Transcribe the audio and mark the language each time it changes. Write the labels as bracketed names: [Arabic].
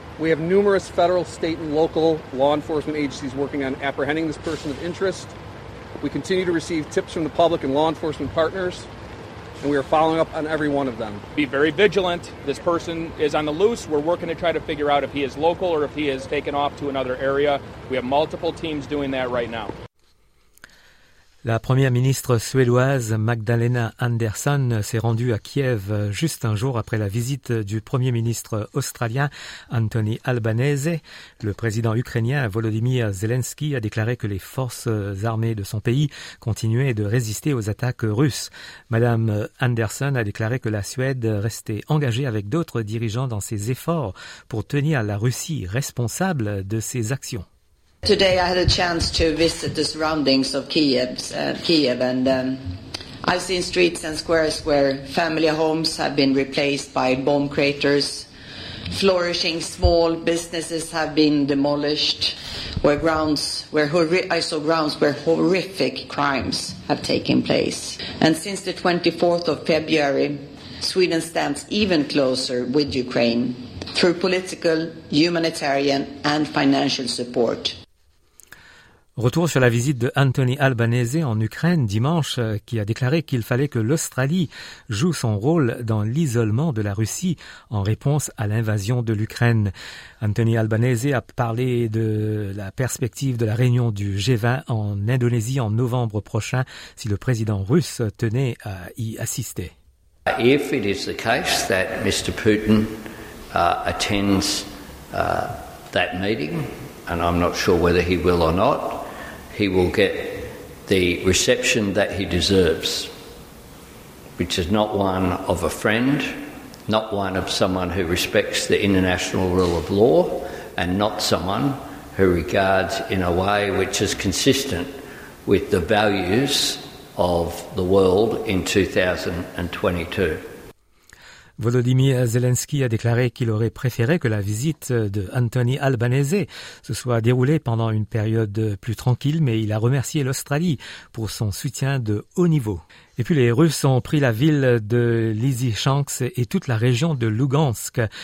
[English] We have numerous federal, state, and local law enforcement agencies working on apprehending this person of interest. We continue to receive tips from the public and law enforcement partners, and we are following up on every one of them. Be very vigilant. This person is on the loose. We're working to try to figure out if he is local or if he has taken off to another area. We have multiple teams doing that right now. [French] La première ministre suédoise Magdalena Andersson s'est rendue à Kiev juste un jour après la visite du premier ministre australien Anthony Albanese. Le président ukrainien Volodymyr Zelensky a déclaré que les forces armées de son pays continuaient de résister aux attaques russes. Madame Andersson a déclaré que la Suède restait engagée avec d'autres dirigeants dans ses efforts pour tenir la Russie responsable de ses actions. [English] Today I had a chance to visit the surroundings of Kiev, and I've seen streets and squares where family homes have been replaced by bomb craters, flourishing small businesses have been demolished, where horrific crimes have taken place. And since the 24th of February, Sweden stands even closer with Ukraine through political, humanitarian and financial support. [French] Retour sur la visite de Anthony Albanese en Ukraine dimanche, qui a déclaré qu'il fallait que l'Australie joue son rôle dans l'isolement de la Russie en réponse à l'invasion de l'Ukraine. Anthony Albanese a parlé de la perspective de la réunion du G20 en Indonésie en novembre prochain, si le président russe tenait à y assister. [English] If it is the case that Mr. Putin attends that meeting, and I'm not sure whether he will or not, he will get the reception that he deserves, which is not one of a friend, not one of someone who respects the international rule of law, and not someone who regards in a way which is consistent with the values of the world in 2022. [French] Volodymyr Zelensky a déclaré qu'il aurait préféré que la visite de Anthony Albanese se soit déroulée pendant une période plus tranquille, mais il a remercié l'Australie pour son soutien de haut niveau. Et puis les Russes ont pris la ville de Lysychansk et toute la région de Lugansk.